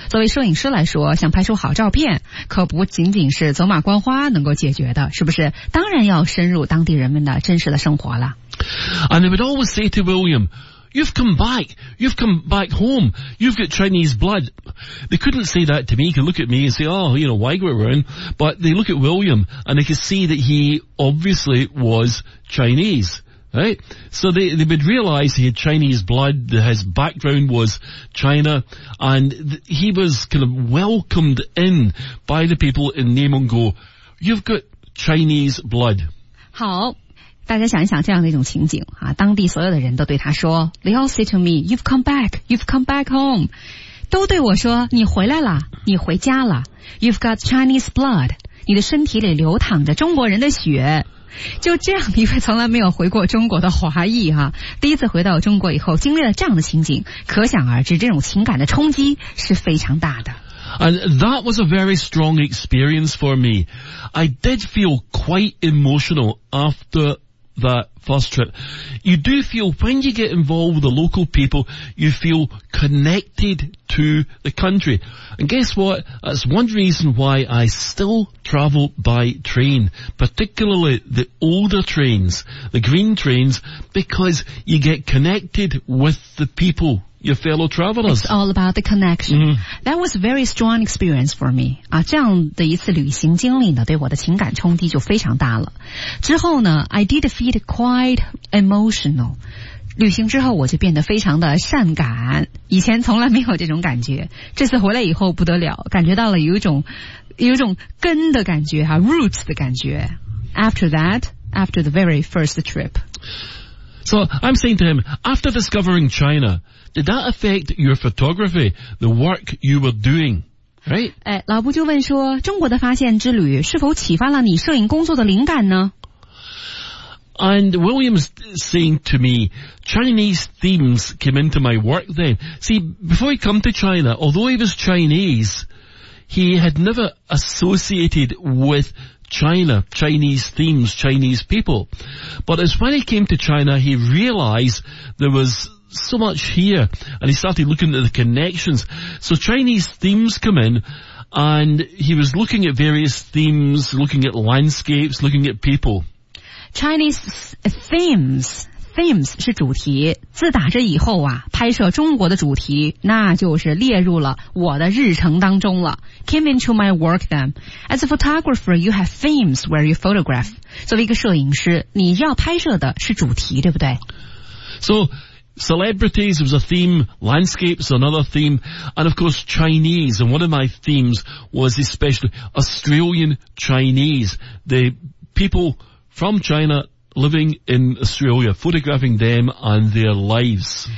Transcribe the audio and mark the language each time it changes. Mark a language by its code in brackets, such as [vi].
[zh] 作为摄影师来说，想拍出好照片可不仅仅是走马观花能够解决的，是不是？当然要深入当地人们的真实的生活了。 [en] And they would always say to William, You've come back home. You've got Chinese blood. They couldn't say that to me. They could look at me and say, oh, you know, why go around? But they look at William and they could see that he obviously was ChineseRight? So they would realize he had Chinese blood, his background was China, and he was kind of welcomed in by the people in Neimongo. You've got Chinese blood. [zh] 好，大家想一想这样的一种情景啊，当地所有的人都对他说 , [en] They all say to me, you've come back home. [zh] 都对我说你回来了，你回家了。 [en] You've got Chinese blood. [zh] 你的身体里流淌着中国人的血。就这样一位从来没有回过中国的华裔啊，第一次回到中国以后经历了这样的情景，可想而知这种情感的冲击是非常大的。 [en] And that was a very strong experience for me. I did feel quite emotional after that first trip. You do feel when you get involved with the local people, you feel connected to the country. And guess what? That's one reason why I still travel by train, particularly the older trains, the green trains, because you get connected with the people. Your fellow travelers. It's all about the connection. That was a very strong experience for me. [zh] 啊，这样的一次旅行经历呢，对我的情感冲击就非常大了。之后呢 [en] ，I did feel quite emotional. [zh] 旅行之后，我就变得非常的善感。以前从来没有这种感觉，这次回来以后不得了，感觉到了有一种根的感觉哈 ，roots 的感觉。 [en] After that, after the very first trip. So I'm saying to him, after discovering China, did that affect your photography, the work you were doing, right? 哎，老布就问说，中国的发现之旅是否启发了你摄影工作的灵感呢？ And William's saying to me, Chinese themes came into my work then. See, before he came to China, although he was Chinese, he had never associated with China, Chinese themes, Chinese people. But as when he came to China, he realized there was so much here and he started looking at the connections. So Chinese themes come in and he was looking at various themes, looking at landscapes, looking at people. Chinese themes [zh] 是主题，自打这以后啊，拍摄中国的主题那就是列入了我的日程当中了。 [en] Came into my work then. As a photographer, you have themes where you photograph. [zh] 作为一个摄影师，你要拍摄的是主题，对不对？ [en] So, celebrities was a theme, landscapes another theme, and of course Chinese, and one of my themes was especially Australian Chinese, the people from China,Living in Australia, photographing them and their lives.